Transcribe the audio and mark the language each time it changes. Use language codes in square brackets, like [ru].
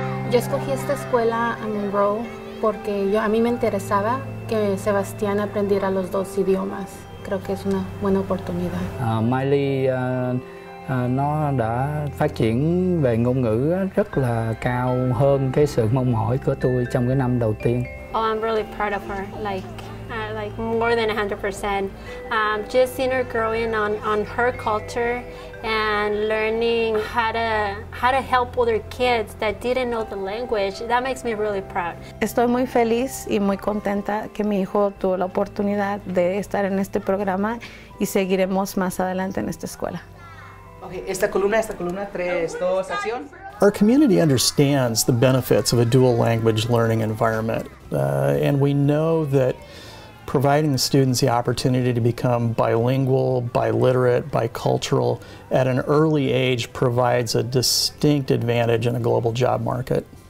[es] Yo escogí esta escuela a Monroe porque a mí me interesaba que Sebastián aprendiera los dos idiomas. Creo que es una buena oportunidad. [vi] Miley, nó đã phát triển về ngôn ngữ rất là cao hơn cái sự mong mỏi của tôi trong cái năm đầu tiên. [en] Oh, I'm really proud of her, like more than 100%. Just seeing her growing on her culture and learning how to help other kids that didn't know the language, that makes me really proud. [es] Estoy muy feliz y muy contenta que mi hijo tuvo la oportunidad de estar en este programa y seguiremos más adelante en esta escuela. Okay, esta columna, tres, dos, acción. [en] Our community understands the benefits of a dual language learning environment, and we know that providing the students the opportunity to become bilingual, biliterate, bicultural at an early age provides a distinct advantage in a global job market.